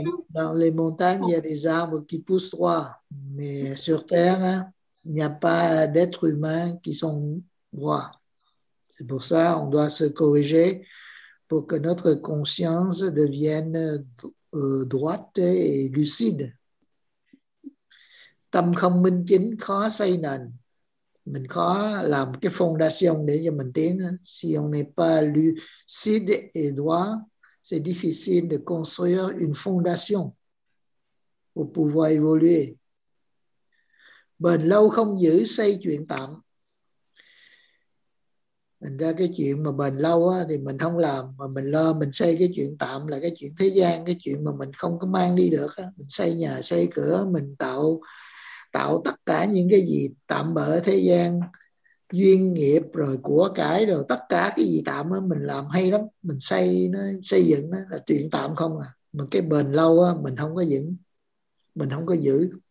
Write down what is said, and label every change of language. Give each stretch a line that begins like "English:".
French: Dans les montagnes, il y a des arbres qui poussent droit, mais sur Terre, il n'y a pas d'êtres humains qui sont droits. C'est pour ça qu'on doit se corriger pour que notre conscience devienne droite et lucide.
Vietnamese: Tâm không minh chính khó xây nền. Mình khó làm cái fondation để cho mình tiến.
French: Si on n'est pas lucide et droit, c'est difficile de construire une fondation pour pouvoir évoluer.
Vietnamese: Bền lâu không giữ, xây chuyện tạm. Mình ra cái chuyện mà bền lâu á, thì mình không làm, mà mình lo mình xây cái chuyện tạm là cái chuyện thế gian, cái chuyện mà mình không có mang đi được á. Mình xây nhà, xây cửa, mình tạo tất cả những cái gì tạm bỡ thế gian, duyên nghiệp rồi của cái rồi tất cả cái gì tạm á, mình làm hay lắm, mình xây nó, xây dựng nó là chuyện tạm không à, mà cái bền lâu á mình không có vững, mình không có giữ,